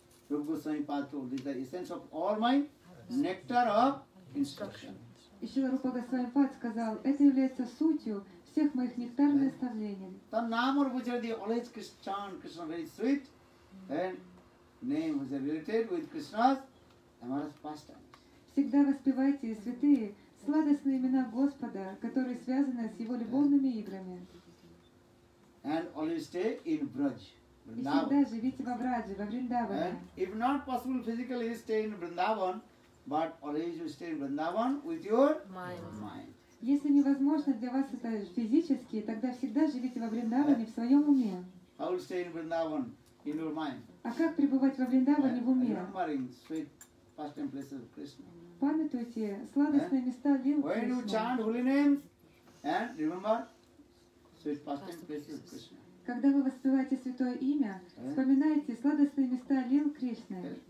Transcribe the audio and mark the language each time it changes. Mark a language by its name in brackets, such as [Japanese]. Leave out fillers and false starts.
[English] Rupa Goswami Pada told this, the essence of all my nectar of instruction. [Russian] Ishvara Rupa Goswami Pada сказал, это является сутью всех моих нектарных наставлений. [English] Tannamur Bhujardi always chant Krishna very sweet and name was related with Krishna's amorous pastime. [Russian] Всегда воспевайте святые сладостные имена Господа, которые связаны с Его любовными играми. [English] And always stay in Braj. [Russian] И всегда живите во Брадже, во Вриндаване. [English] If not possible physically stay in Vrindavan, but always you stay in Vrindavan with your mind. [Russian] Если невозможно для вас это физически, тогда всегда живите во Вриндаване в своем уме. [English] How will stay in Vrindavan in your mind? [Russian] А как пребывать во Вриндаване в уме? [English] Pastime places of Krishna. [Russian] Памятуйте сладостные места лил Кришны. [English] When you chant holy names and remember sweet pastime places of Krishna. [Russian] Когда вы воспеваете святое имя, вспоминайте сладостные места лил Кришны.